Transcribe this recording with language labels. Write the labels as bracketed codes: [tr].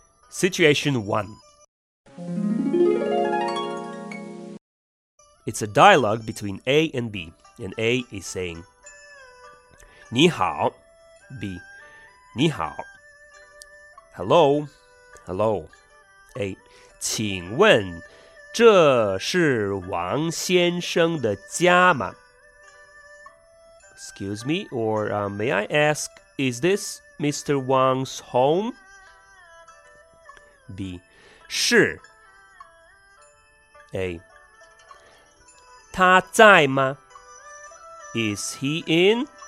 [en] Situation 1 It's a dialogue between A and B and A is saying [zh] 你好 [en] B [zh] 你好 [en] Hello, hello, A. [zh] 请问这是王先生的家吗? [en] Excuse me, or may I ask, is this Mr. Wang's home? B. [zh] 是 [en] A. [zh] 他在吗? [en] Is he in?